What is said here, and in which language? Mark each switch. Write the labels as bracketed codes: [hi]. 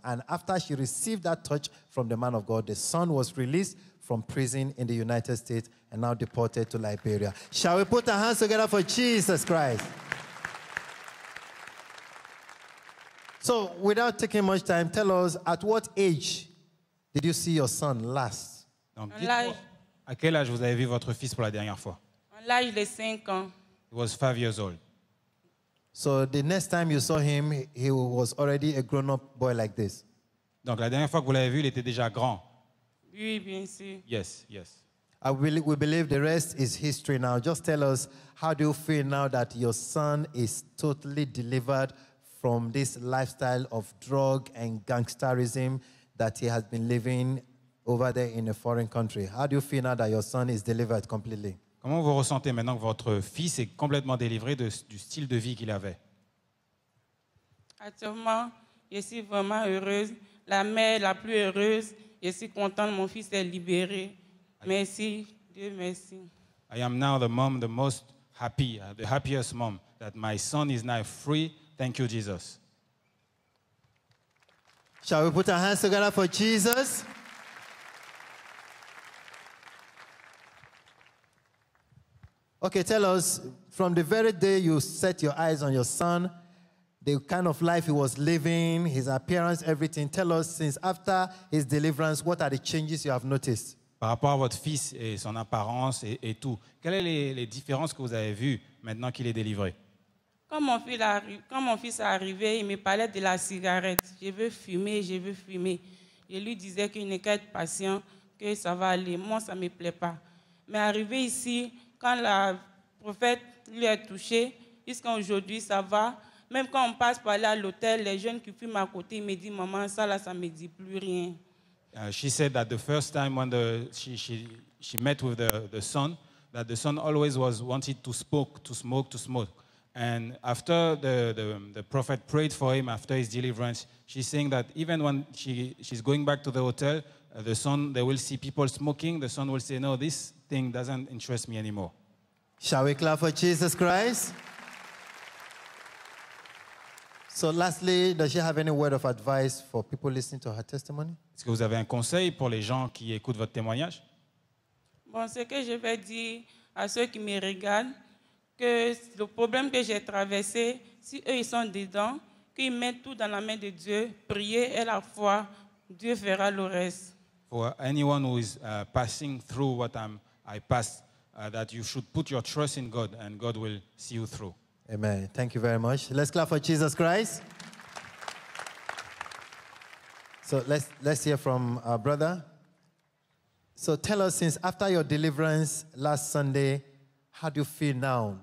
[en] And after she received that touch from the man of God, the son was released from prison in the United States and now deported to Liberia. Shall we put our hands together for Jesus Christ? So, without taking much time, tell us, at what age did you see your son last? [fr] À quel âge vous avez vu votre fils pour la dernière fois? En l'âge de 5 ans. [en] He was 5 years old. So the next time you saw him, he was already a grown-up boy like this. [fr] Donc la dernière fois que vous l'avez vu, il était déjà grand. Oui, bien sûr. [en] Yes, yes. We believe the rest is history now. Just tell us, how do you feel now that your son is totally delivered from this lifestyle of drug and gangsterism that he has been living over there in a foreign country? How do you feel now that your son is delivered completely? [fr] Comment vous ressentez maintenant que votre fils est complètement délivré du style de vie qu'il avait? Actuellement, je suis vraiment heureuse. La mère la plus heureuse. Je suis contente. Mon fils est libéré. Merci. Dieu merci. [en] I am now the mom the most happy, the happiest mom, that my son is now free. Thank you, Jesus. Shall we put our hands together for Jesus? Okay, tell us, from the very day you set your eyes on your son, the kind of life he was living, his appearance, everything, tell us, since after his deliverance, what are the changes you have noticed? [fr] Par rapport à votre fils et son apparence et tout, quelles sont les différences que vous avez vues maintenant qu'il est délivré? Quand mon fils est arrivé, il me parlait de la cigarette. Je veux fumer, je veux fumer. Je lui disais qu'il n'est qu'être patient, que ça va aller. Moi, ça ne me plaît pas. Mais arrivé ici, quand la prophète lui a touché, jusqu'à aujourd'hui, ça va. Même quand on passe par là à l'hôtel, les jeunes qui fument à côté, ils me disent, maman, ça là, ça ne me dit plus rien. [en] She said that the first time when she met with the son, that the son always was wanted to smoke. And after the prophet prayed for him after his deliverance, she's saying that even when she's going back to the hotel, the son, they will see people smoking, the son will say, no, this thing doesn't interest me anymore. Shall we clap for Jesus Christ? So lastly, does she have any word of advice for people listening to her testimony? [fr] Est-ce que vous avez un conseil pour les gens qui écoutent votre témoignage? Bon, ce que je vais dire à ceux qui me regardent, que le problème que j'ai traversé, si eux, ils sont dedans, qu'ils mettent tout dans la main de Dieu, prier et la foi, Dieu fera le reste. [en] For anyone who is passing through what I passed, that you should put your trust in God and God will see you through. Amen. Thank you very much. Let's clap for Jesus Christ. So let's hear from our brother. So tell us, since after your deliverance last Sunday, How do you feel now?